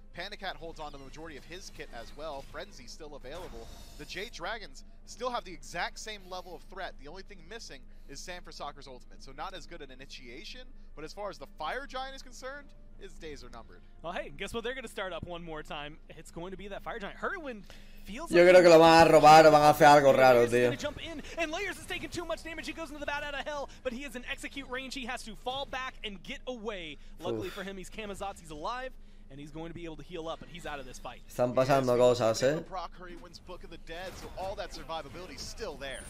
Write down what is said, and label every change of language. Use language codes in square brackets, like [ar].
[en] Pandacat holds on to the majority of his kit as well. Frenzy still available. The Jade Dragons still have the exact same level of threat. The only thing missing is Sam for Soccer's ultimate. So not as good an initiation, but as far as the Fire Giant is concerned, his days are numbered. Well, hey, guess what? They're going to start up one more time. It's going to be that Fire Giant. Hurrywind feels [es] yo [en] like... [es] Yo creo que lo van a robar o van a hacer algo raro, tío. [en] He's going to jump in, and Layers is taking too much damage. He goes into the Bat out of Hell, but he is in execute range. He has to fall back and get away. Luckily for him, he's Kamazotz. He's alive, and he's going to be able to heal up, and he's out of this fight. [es] Están pasando cosas, eh? [en] Proc Hurrywind's Book of the Dead, so all that survivability is still there.